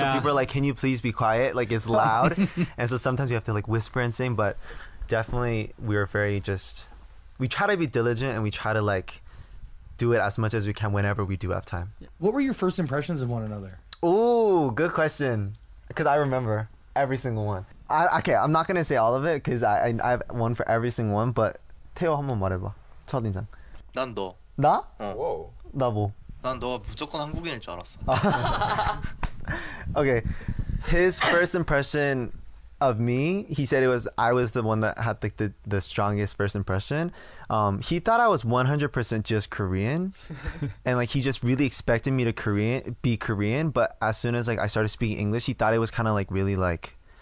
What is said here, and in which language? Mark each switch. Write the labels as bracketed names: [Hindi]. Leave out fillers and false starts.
[English] So people are like, can you please be quiet? Like it's loud. And so sometimes we have to like whisper and sing, but definitely we try to be diligent and we try to like do it as much as we can whenever we do have time. What were your first impressions of one another? Ooh, good question. Cause I remember every single one. Okay, I'm not gonna say all of it because I have one for every single one. [Korean] But Taeyo, 한번 말해봐. 첫인상. 난 너. 나? 어. Whoa. 나 뭐? 난 너 무조건 한국인일 줄 알았어. [English] Okay, his first impression of me, he said I was the one that had like the strongest first impression. He thought I was 100% just Korean, and like he just really expected me to be Korean. But as soon as like I started speaking English, he thought it was kind of like really like.